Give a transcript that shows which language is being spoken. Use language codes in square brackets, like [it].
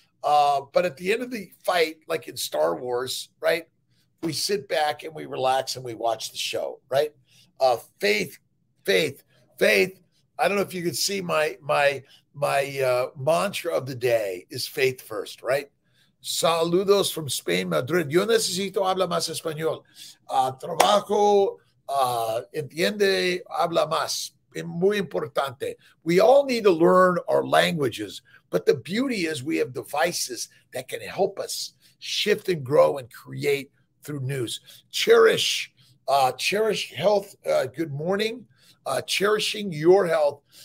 [en] But at the end of the fight, like in Star Wars, right? We sit back and we relax and we watch the show, right? Faith. I don't know if you could see my mantra of the day is faith first, right? Saludos from Spain, Madrid. [es] Yo necesito hablar más español. Trabajo, entiende, habla más. Muy importante. [en] We all need to learn our languages, but the beauty is we have devices that can help us shift and grow and create through news. Cherish health. Good morning. Cherishing your health.